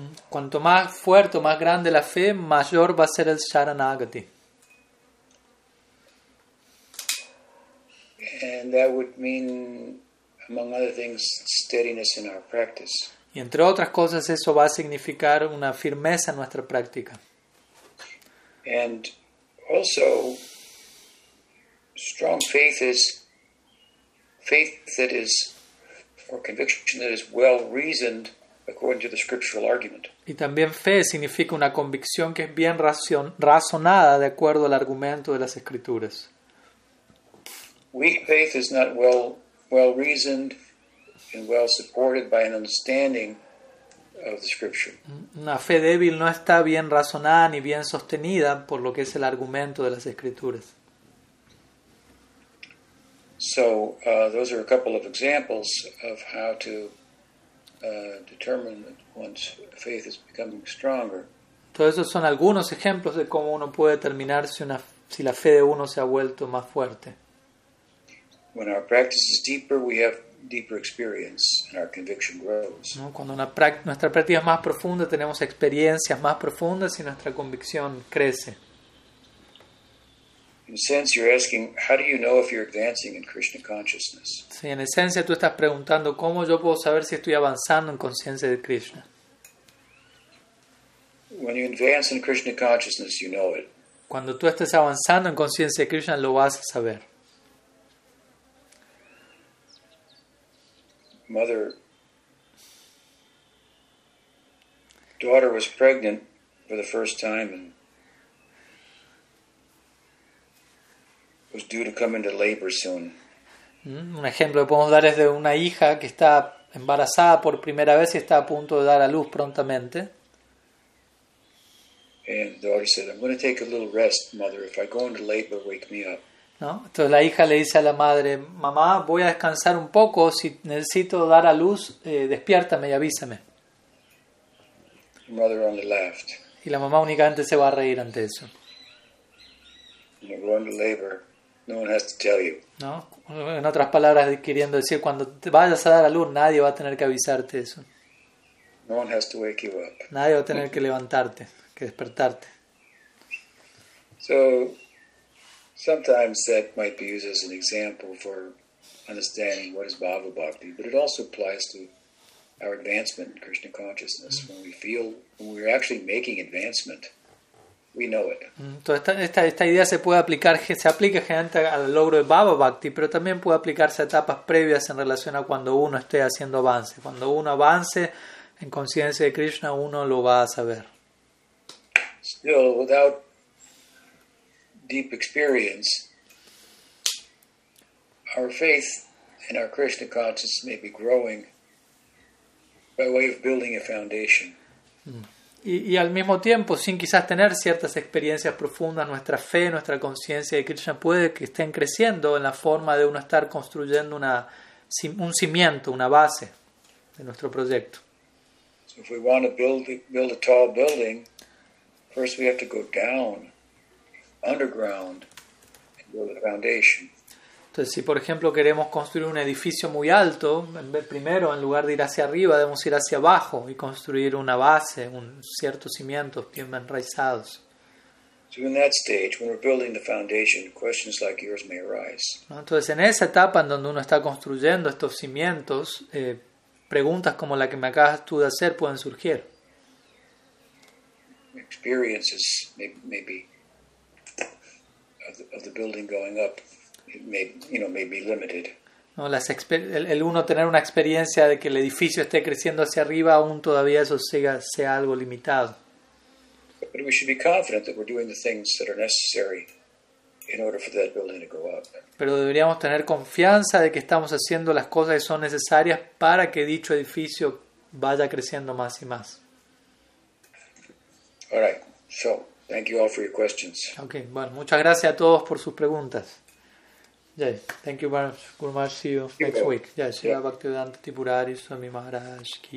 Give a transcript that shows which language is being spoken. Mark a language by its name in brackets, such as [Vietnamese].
[Spanish] Cuanto más fuerte o más grande la fe, mayor va a ser el Sharanagati. [English] And that would mean, among other things, steadiness in our practice. [Spanish] Y entre otras cosas, eso va a significar una firmeza en nuestra práctica. [English] And also, strong faith is faith that is, or conviction that is well reasoned according to the scriptural argument. [Spanish] Y también fe significa una convicción que es bien razonada de acuerdo al argumento de las escrituras. [English] Weak faith is not well reasoned and well supported by an understanding of the scripture. [Spanish] Una fe débil no está bien razonada ni bien sostenida por lo que es el argumento de las escrituras. [English] So, those are a couple of examples of how to determine that one's faith is becoming stronger. [Spanish] Todos esos son algunos ejemplos de cómo uno puede determinar si la fe de uno se ha vuelto más fuerte. [English] When our practice is deeper, we have deeper experience and our conviction grows. [Spanish] ¿No? Cuando nuestra práctica es más profunda, tenemos experiencias más profundas y nuestra convicción crece. [English] In a sense, you're asking, how do you know if you're advancing in Krishna consciousness? [Spanish] Sí, en esencia, tú estás preguntando cómo yo puedo saber si estoy avanzando en conciencia de Krishna. [English] When you advance in Krishna consciousness, you know it. [Spanish] Cuando tú estés avanzando en conciencia de Krishna, lo vas a saber. [English] Mother, daughter was pregnant for the first time and was due to come into labor soon. [Spanish] Un ejemplo que podemos dar es de una hija que está embarazada por primera vez y está a punto de dar a luz prontamente. [English] And the daughter said, I'm going to take a little rest, mother. If I go into labor, wake me up. [Spanish] ¿No? Entonces la hija le dice a la madre, mamá, voy a descansar un poco, si necesito dar a luz, despiértame y avísame. [English] The mother only laughed. [Spanish] Y la mamá únicamente se va a reír ante eso. [English] When you go into labor, no one has to tell you. [Spanish] ¿No? En otras palabras, queriendo decir, cuando te vayas a dar a luz, nadie va a tener que avisarte eso. [English] No one has to wake you up. [Spanish] Nadie va a tener que levantarte, que despertarte. [English] So, sometimes that might be used as an example for understanding what is Bhava Bhakti, but it also applies to our advancement in Krishna consciousness. When we feel, when we're actually making advancement, we know it. [Spanish] Entonces esta idea se aplica generalmente al logro de Bhava Bhakti, pero también puede aplicarse a etapas previas en relación a cuando uno esté haciendo avance. Cuando uno avance en conciencia de Krishna, uno lo va a saber. [English] Still, without deep experience, our faith and our Krishna consciousness may be growing by way of building a foundation. [Spanish] Y al mismo tiempo, sin quizás tener ciertas experiencias profundas, nuestra fe, nuestra conciencia de Krishna puede que estén creciendo en la forma de uno estar construyendo un cimiento, una base de nuestro proyecto. [English] So if we want to build a tall building, first we have to go down underground and build a foundation. [Spanish] Entonces, si por ejemplo queremos construir un edificio muy alto, primero en lugar de ir hacia arriba, debemos ir hacia abajo y construir una base, un cierto cimiento bien enraizados. [English] So in that stage, when we're building the foundation, questions like yours may arise. [Spanish] Entonces, en esa etapa en donde uno está construyendo estos cimientos, preguntas como la que me acabas tú de hacer pueden surgir. [English] Experiences maybe of the building going up, it may be limited. [Spanish] No, el uno tener una experiencia de que el edificio esté creciendo hacia arriba, aún todavía eso sea algo limitado. [English] But we should be confident that we're doing the things that are necessary in order for that building to go up. [Spanish] Pero deberíamos tener confianza de que estamos haciendo las cosas que son necesarias para que dicho edificio vaya creciendo más y más. [English] All right, so. Thank you all for your questions. [Spanish] Okay, bueno, muchas gracias a todos por sus preguntas. [English] Yes, thank you very much. Guru Maharaj, see you next week. Yes, yeah. Shiva Bhaktivedanta Tipurari Swami Maharaj Ki.